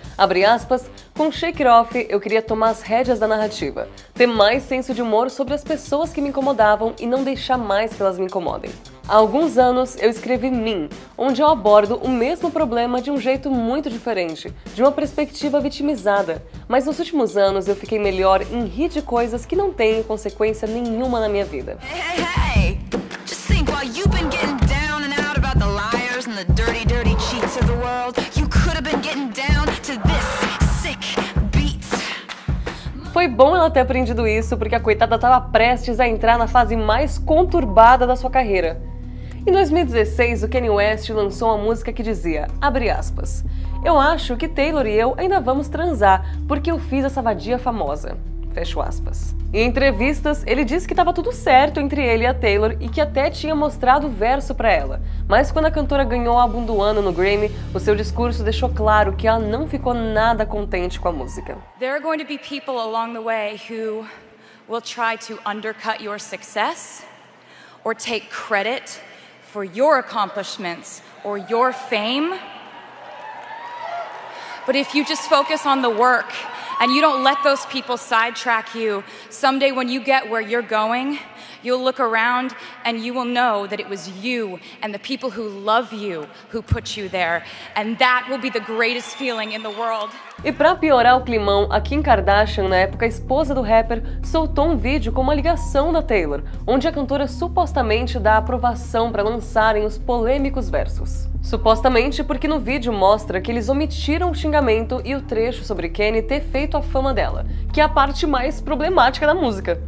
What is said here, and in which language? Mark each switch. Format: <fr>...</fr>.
<pt>Abre aspas, "Com Shake It Off, eu queria tomar as rédeas da narrativa, ter mais senso de humor sobre as pessoas que me incomodavam e não deixar mais que elas me incomodem. Há alguns anos, eu escrevi Mean, onde eu abordo o mesmo problema de um jeito muito diferente, de uma perspectiva vitimizada, mas nos últimos anos eu fiquei melhor em rir de coisas que não têm consequência nenhuma na minha vida."</pt> <en>Hey, hey, hey. You've been getting down and out about the liars and the dirty, dirty cheats of the world. You could have been getting down to this sick beat.</en> <pt>Foi bom ela ter aprendido isso, porque a coitada estava prestes a entrar na fase mais conturbada da sua carreira. Em 2016, o Kanye West lançou uma música que dizia, abre aspas, "Eu acho que Taylor e eu ainda vamos transar, porque eu fiz essa vadia famosa." Fecho aspas. Em entrevistas, ele disse que estava tudo certo entre ele e a Taylor e que até tinha mostrado o verso para ela. Mas quando a cantora ganhou o álbum do ano no Grammy, o seu discurso deixou claro que ela não ficou nada contente com a música.</pt> <en>There are going to be people along the way who will try to undercut your success or take credit for your accomplishments or your fame. But if you just focus on the work and you don't let those people sidetrack you, someday when you get where you're going, you'll look around and you will know that it was you and the people who love you who put you there. And that will be the greatest feeling in the world.</en> <pt>E pra piorar o climão, a Kim Kardashian, na época esposa do rapper, soltou um vídeo com uma ligação da Taylor, onde a cantora supostamente dá aprovação para lançarem os polêmicos versos. Supostamente porque no vídeo mostra que eles omitiram o xingamento e o trecho sobre Kanye ter feito a fama dela, que é a parte mais problemática da música.</pt>